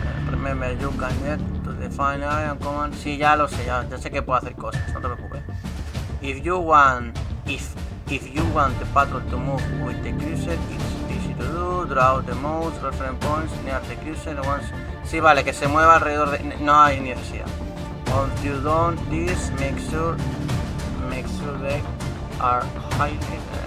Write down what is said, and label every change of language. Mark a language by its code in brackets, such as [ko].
[en] Remember, you can get to the final area and command. [es] Sí, ya lo sé, ya sé que puedo hacer cosas, no te preocupes. [en] If you want the patrol to move with the cruiser, it's easy to do. Draw the most reference points near the cruiser once. [es] Sí, vale, que se mueva alrededor de. No hay necesidad. [en] Once you've done this, make sure they are hiding.